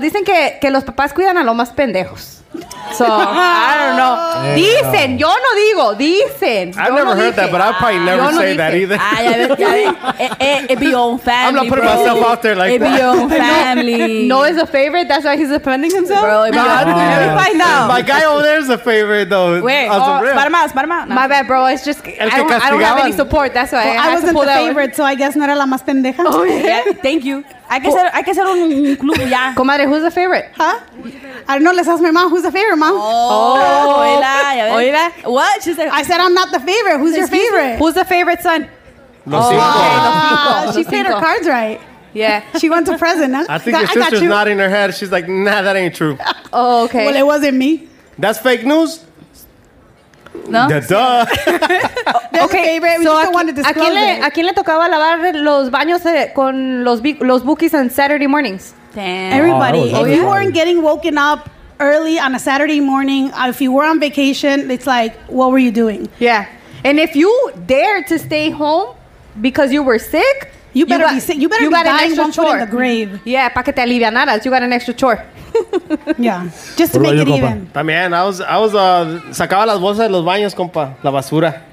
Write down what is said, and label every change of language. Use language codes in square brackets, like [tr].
[es] Dicen que los papás cuidan a los más pendejos. [en] So, I don't know. Yeah. [es] Dicen, yo no digo, dicen. [en] I've never heard that, but I'll probably never say that either. It'd be on family. I'm not putting bro. Myself out there like it that. It'd be on family. No is a favorite, that's why he's defending himself. Bro, it'd be on family. Let me find out. My guy over there is a favorite, though. Wait, Spider-Man. No. My bad, bro. It's just, I don't have any support, that's why. Well, I wasn't the favorite, so I guess [es] no era la más pendeja. [en] Oh, yeah. Thank you. [es] Hay que hacer un club ya. [en] Comadre, who's the favorite? Huh? Favorite? I don't know. Let's ask my mom. Who's the favorite, mom? Oh, hola. What? She said. I said I'm not the favorite. Who's your favorite? Me. Who's the favorite son? [es] Los cinco. Okay, los cinco. [en] She played her cards right. Yeah. She went to prison, huh? I think your sister's nodding her head. She's like, nah, that ain't true. Oh, okay. Well, it wasn't me. That's fake news? No. Duh. Okay, favorite. We just wanted to disclose [es] ¿A quién le tocaba lavar los baños con los bookies [en] on Saturday mornings? Damn. Everybody. Oh, if you weren't getting woken up early on a Saturday morning, if you were on vacation, it's like, what were you doing? Yeah. And if you dare to stay home, because you were sick, you better be dying, one foot in the grave. Yeah, [es] pa que te alivianaras, [en] you got an extra chore. Yeah, just to make it even. [es] También, [en] I was [es] sacaba las bolsas de los baños, compa, la basura.